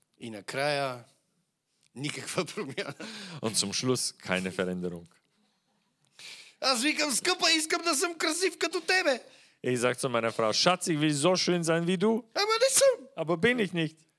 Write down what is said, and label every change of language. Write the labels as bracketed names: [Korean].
[Bulgarian] И накрая никаква промяна. [German] Und zum Schluss keine Veränderung. [Bulgarian] Аз викам, скъпа, искам да съм красив като тебе. [German] Ich sage zu meiner Frau, Schatz, ich will so schön sein wie du. Aber bin ich nicht.